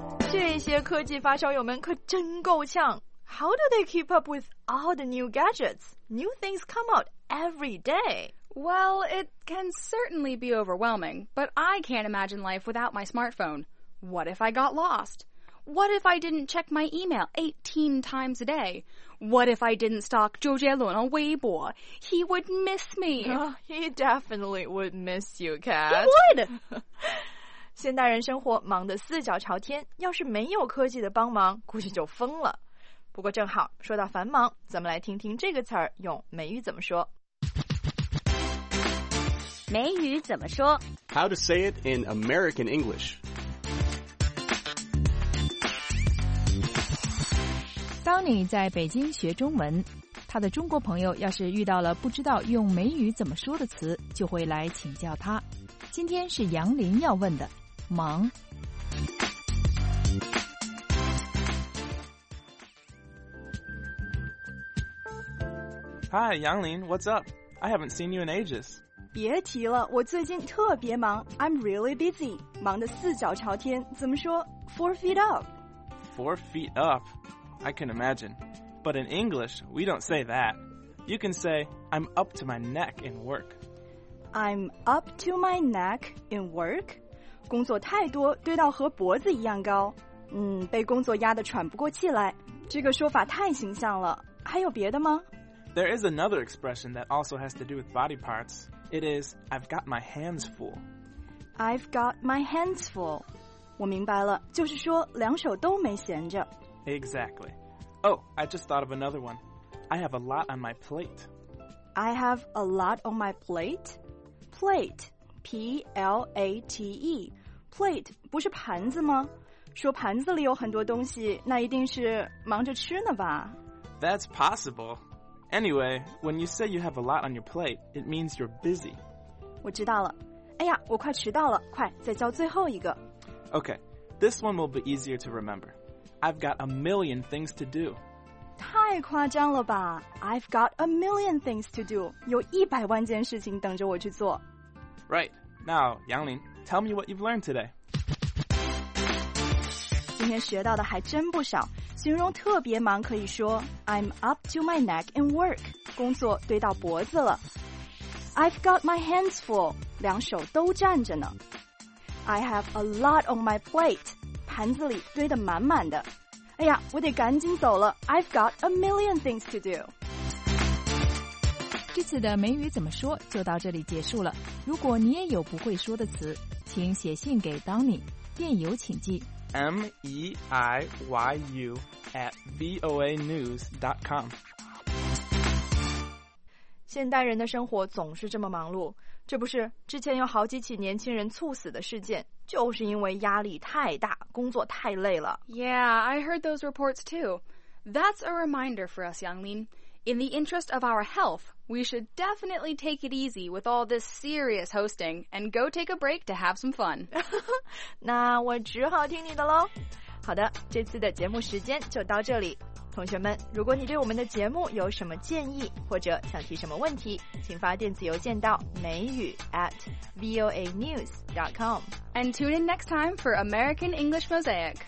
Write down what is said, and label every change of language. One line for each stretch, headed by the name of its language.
Chinese: 这些科技发烧友们可真够呛。
English: How do they keep up with all the new gadgets? New things come out every day. Well, it can certainly be overwhelming, but I can't imagine life without my smartphone. What if I got lost? What if I didn't check my email 18 times a day? What if I didn't stalk 周杰伦on Weibo? He would miss me. Oh, he definitely would miss you, Kat. He would!
Chinese: 现代人生活忙得四脚朝天，要是没有科技的帮忙，估计就疯了。不过正好说到繁忙，咱们来听听这个词儿用美语怎么说。美语怎么说
English: ？How to say it in American English？
Chinese: 当你在北京学中文，他的中国朋友要是遇到了不知道用美语怎么说的词，就会来请教他。今天是杨林要问的，忙。
English: Hi, Yanglin, what's up? I haven't seen you in ages.
Chinese: 别提了，我最近特别忙。
English: I'm really busy.
Chinese: 忙得四脚朝天，怎么说 ？
English: Four feet up. Four feet up? I can imagine. But in English, we don't say that. You can say, I'm up to my neck in work. I'm up to my neck in work?
Chinese: 工作太多，堆到和脖子一样高。嗯，被工作压得喘不过气来。这个说法太形象了。还有别的吗？
English: There is another expression that also has to do with body parts. It is, I've got my hands full. I've got my hands full.
Chinese: 我明白了，就是说两手都没闲着。
English: Exactly. Oh, I just thought of another one. I have a lot on my plate. I have a lot on my plate? Plate, P-L-A-T-E.
Chinese: Plate 不是盘子吗？说盘子里有很多东西，那一定是忙着吃呢吧？
English: That's possible. Anyway, when you say you have a lot on your plate, it means you're busy.
Chinese: 我知道了。哎呀，我快迟到了，快，再教最后一个。
English: Okay, this one will be easier to remember. I've got a million things to do.
Chinese: 太夸张了吧。
English: I've got a million things to do.
Chinese: 有一百万件事情等着我去做。
English: Right. Now, Yanglin, tell me what you've learned today.
Chinese: 今天学到的还真不少。形容特别忙可以说
English: I'm up to my neck in work，
Chinese: 工作堆到脖子了。
English: I've got my hands full，
Chinese: 两手都站着呢。
English: I have a lot on my plate，
Chinese: 盘子里堆得满满的。哎呀，我得赶紧走了。
English: I've got a million things to do。
Chinese: 这次的美语怎么说就到这里结束了。如果你也有不会说的词，请写信给 Donny， 电邮请寄
English: MEIYU@VOANews.com
Chinese: 现代人的生活总是这么忙碌，这不是之前有好几起年轻人猝死的事件，就是因为压力太大，工作太累了。
English: Yeah, I heard those reports too. That's a reminder for us, Yanglin. In the interest of our health, we should definitely take it easy with all this serious hosting and go take a break to have some fun.
Chinese: 那我只好听你的咯。好的，这次的节目时间就到这里。同学们，如果你对我们的节目有什么建议或者想提什么问题，请发电子邮件到美语@voanews.com.
English: And tune in next time for American English Mosaic.